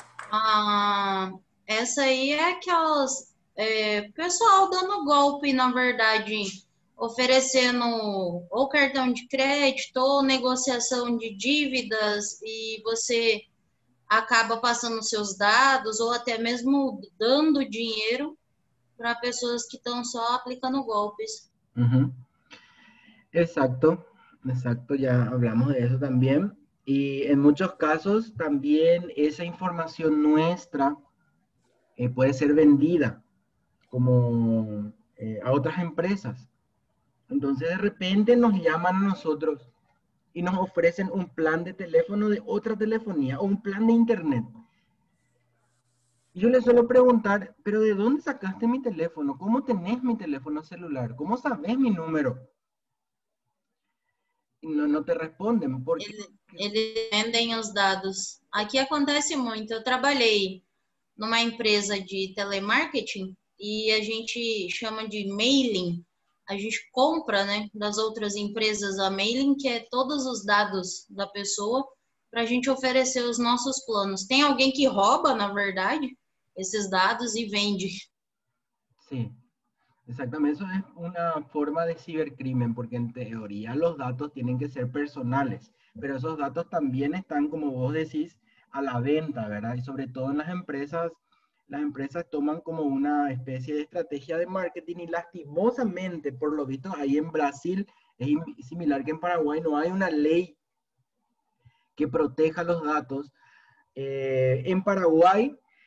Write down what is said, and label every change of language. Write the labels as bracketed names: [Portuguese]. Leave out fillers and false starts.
[Portuguese] Ah, essa aí é aquelas pessoal dando golpe, na verdade, oferecendo ou cartão de crédito ou negociação de dívidas e você acaba passando seus dados ou até mesmo dando dinheiro para pessoas que estão só aplicando golpes. Uhum. Exato, exato, já falamos disso também. [Spanish] Y en muchos casos también esa información nuestra puede ser vendida como a otras empresas. Entonces de repente nos llaman a nosotros y nos ofrecen un plan de teléfono de otra telefonía o un plan de internet. Y yo les suelo preguntar, ¿pero de dónde sacaste mi teléfono? ¿Cómo tenés mi teléfono celular? ¿Cómo sabés mi número? No te responden porque [Portuguese] eles vendem os dados. Aqui acontece muito. Eu trabalhei numa empresa de telemarketing e a gente chama de mailing. A gente compra, né, das outras empresas a mailing, que é todos os dados da pessoa, para a gente oferecer os nossos planos. Tem alguém que rouba, na verdade, esses dados e vende. Sim. [Spanish] Exactamente, eso es una forma de cibercrimen, porque en teoría los datos tienen que ser personales, pero esos datos también están, como vos decís, a la venta, ¿verdad? Y sobre todo en las empresas toman como una especie de estrategia de marketing y lastimosamente, por lo visto, ahí en Brasil, es similar que en Paraguay, no hay una ley que proteja los datos. En Paraguay,